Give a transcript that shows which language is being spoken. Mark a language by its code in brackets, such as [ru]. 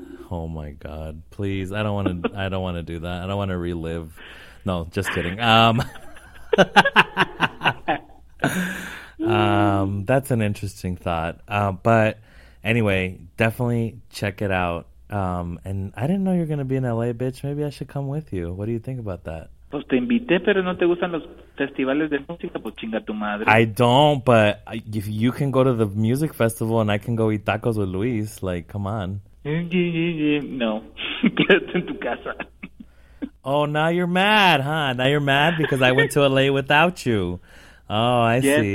[en] Oh my God, please. I don't want to do that. I don't want to relive. No, just kidding. That's an interesting thought. But anyway, definitely check it out. And I didn't know you're going to be in LA, bitch. Maybe I should come with you. What do you think about that? [es] Pues te invité, pero no te gustan los festivales de música, pues chinga tu madre. [en] I don't, but if you can go to the music festival and I can go eat tacos with Luis, like, come on. [es] No. Quédate en tu casa. [en] Oh, now you're mad, huh? Now you're mad because I went to LA without you. Oh, I see.